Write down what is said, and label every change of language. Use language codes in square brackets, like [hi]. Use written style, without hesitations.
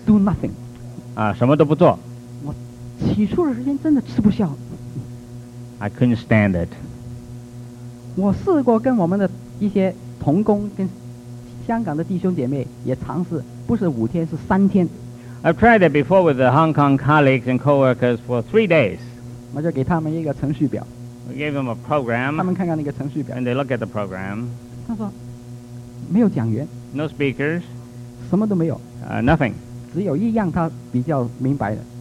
[en] Do nothing. [zh] 啊，什么都不做。我起初的时间真的吃不消。 [en] I couldn't stand it. [zh] 我试过跟我们的一些同工，跟香港的弟兄姐妹也尝试，不是5天，是3天。 [en] I've tried it before with the Hong Kong colleagues and coworkers for 3 days. [zh] 我就给他们一个程序表。 [en] We gave them a program. [zh] 他们看看那个程序表。 [en] And they look at the program. [zh] 他说没有讲员。 [en] No speakers. [zh] 什么都没有。 [en] Nothing. [zh] 只有一样他比较明白的。